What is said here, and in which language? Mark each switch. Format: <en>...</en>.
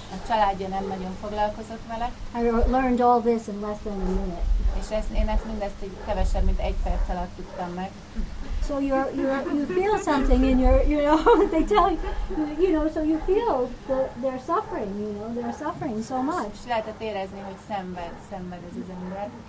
<hu>A családja nem nagyon foglalkozott vele.</hu> <en>I learned all this in less than a minute.</en> <hu>És én ezt mindezt egy kevesebb mint egy perc alatt tudtam meg.</hu> <en>So you feel something in your, you know, they tell you, you know, so you feel that they're suffering, you know, they're suffering so much.</en> <hu>S lehetett érezni, hogy szenved ez az ember.</hu>